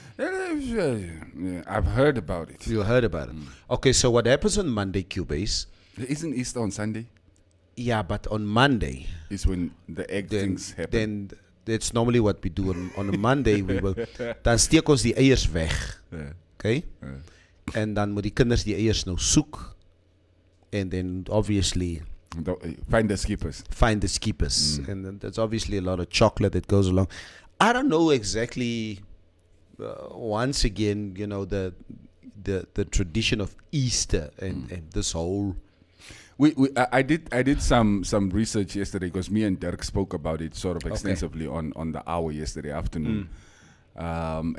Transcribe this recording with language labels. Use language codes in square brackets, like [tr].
[en] Culture? Yeah, I've heard about it. You heard about it. Okay, so what happens on Monday, Cubase? Isn't Easter on Sunday? Yeah, but on Monday is when the egg things happen. Then that's normally what we do on a Monday. [af] We will dan steek ons die eiers weg. [en] Yeah. Okay. [af] En dan moet die kinders die eiers nou soek. [en] And then obviously find the skippers. Find the skippers. Mm. And then there's obviously a lot of chocolate that goes along. I don't know exactly once again, you know, the tradition of Easter and this whole. I did some research yesterday because me and Dirk spoke about it sort of extensively on the hour yesterday afternoon. Mm.